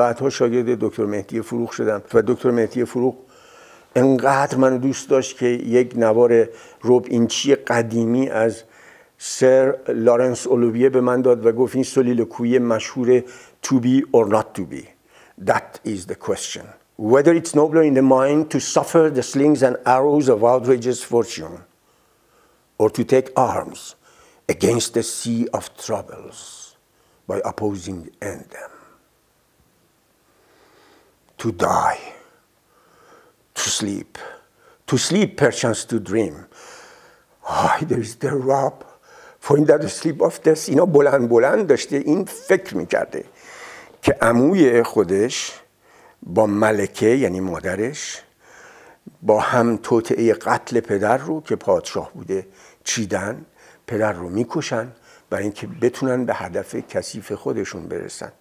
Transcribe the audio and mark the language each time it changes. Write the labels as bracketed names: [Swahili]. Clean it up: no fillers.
[Persian] بعدها شاگرد دکتر مهدی فروغ شدم و دکتر مهدی فروغ انقدر منو دوست داشت که یک نوار ربع اینچی قدیمی از سر لارنس اولویه به من داد و گفت این سولیلوکوی مشهور [English] to be or not to be, that is the question. Whether it's nobler in the mind to suffer the slings and arrows of outrageous fortune or to take arms against the sea of troubles by opposing end them. To die, to sleep perchance to dream. Ay, there is the rub, for in that sleep of death, [Persian] اینا بلند بلند داشته، این فکر میکرده که عموی خودش با ملکه یعنی مادرش با هم توطئه قتل پدر رو که پادشاه بوده چیدن، پدر رو میکشن برای اینکه بتونن به هدف کثیف خودشون برسن.